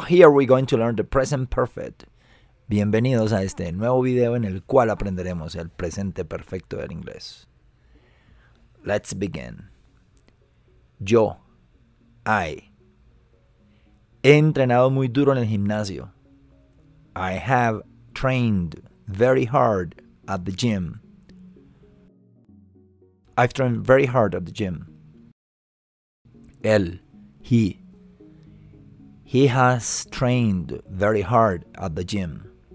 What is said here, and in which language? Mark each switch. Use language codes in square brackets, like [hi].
[en] Here we're going to learn the present perfect. [es] Bienvenidos a este nuevo video en el cual aprenderemos el presente perfecto del inglés. [en] Let's begin. [es] Yo, I, he entrenado muy duro en el gimnasio. [en] I have trained very hard at the gym. I've trained very hard at the gym. Él, he has trained very hard at the gym.